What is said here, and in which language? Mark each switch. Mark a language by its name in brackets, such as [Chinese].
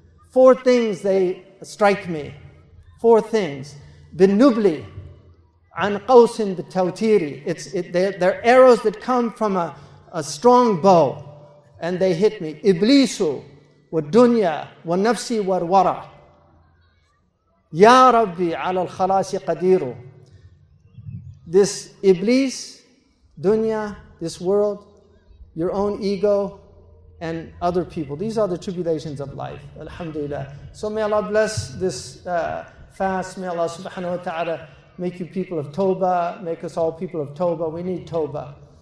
[English] Four things they strike me. Four things. [Arabic] بالنبلي عن قوس بالتوتيري. [English] They're arrows that come from a strong bow and they hit me. [Arabic] إبليس والدنيا والنفسي والورع. يا ربي على الخلاص قديرو. [English] This Iblis, dunya, this world, your own ego and other people. These are the tribulations of life. Alhamdulillah. So may Allah bless this fast. May Allah subhanahu wa ta'ala make you people of tawbah, make us all people of tawbah. We need tawbah.